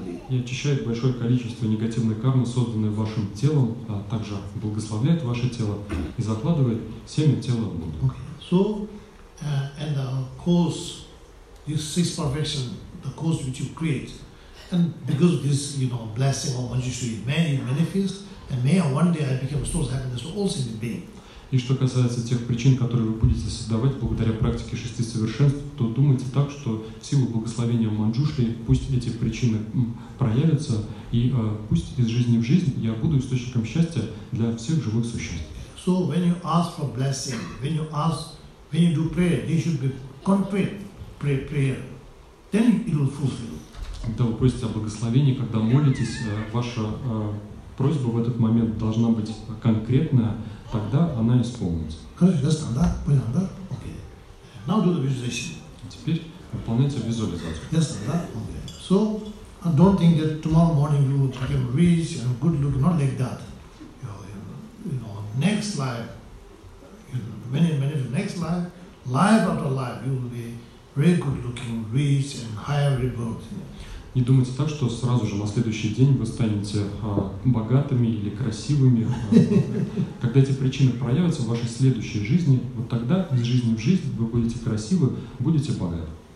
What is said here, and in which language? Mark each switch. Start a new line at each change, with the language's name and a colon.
Russian: И очищает большое количество негативной кармы, созданной вашим телом, а также благословляет ваше тело и закладывает семя тела в Будду.
English: Okay. So, and the cause, this six perfection, the cause which you create, and because of this, you know, blessing of Manjushri, may it manifest, and may one day I become a source of happiness to all sentient beings.
Russian: И что касается тех причин, которые вы будете создавать благодаря практике шести совершенств, то думайте так, что в силу благословения Манджушри пусть эти причины проявятся, и пусть из жизни в жизнь я буду источником счастья для всех живых существ.
English: So when you ask for blessing, when you ask, when you do prayer, there should be concrete prayer. Then it will fulfill.
Russian: Когда вы просите о благословении, когда молитесь, ваша просьба в этот момент должна быть конкретная, тогда она исполнится. Хорошо, ясно, да? Понял, да? Окей.
English: Now do the visualization.
Russian: Теперь выполняйте визуализацию. Ясно, да? Окей.
English: So, I don't think that tomorrow morning you will become rich and good look, not like that. You know, next life, you know, many of next life, life after life, you will be very good looking, rich and higher rebirth.
Russian: Не думайте так, что сразу же на следующий день вы станете богатыми или красивыми. Когда эти причины проявятся в вашей следующей жизни, вот тогда из жизни в жизнь вы будете красивы, будете богаты.